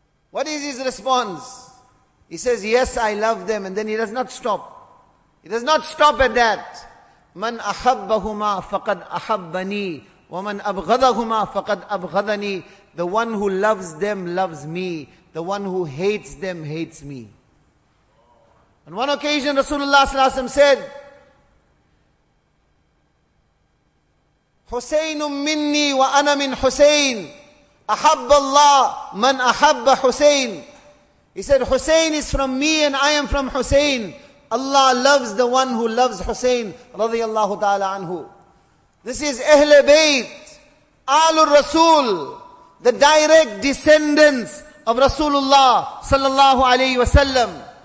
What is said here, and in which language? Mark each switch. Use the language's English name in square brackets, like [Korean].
[English] What is his response? He says, yes, I love them. And then he does not stop. He does not stop at that. [Arabic] Man ahabbahuma faqad ahabbani. وَمَنْ أَبْغَضَهُمَا فَقَدْ أَبْغَضَنِي. [English] The one who loves them loves me. The one who hates them hates me. On one occasion, [Arabic] Rasulullah صلى الله عليه وسلم [English] said, [Arabic] حُسَيْنٌ مِّنِّي وَأَنَا مِنْ حُسَيْنٍ أَحَبَّ اللَّهُ مَنْ أَحَبَّ حُسَيْنٍ. [English] He said, Hussein is from me and I am from Hussein. Allah loves the one who loves Hussein رضي الله تعالى عنه. This is Ahlul Bayt, Alul Rasul, the direct descendants of Rasulullah sallallahu alayhi wa sallam.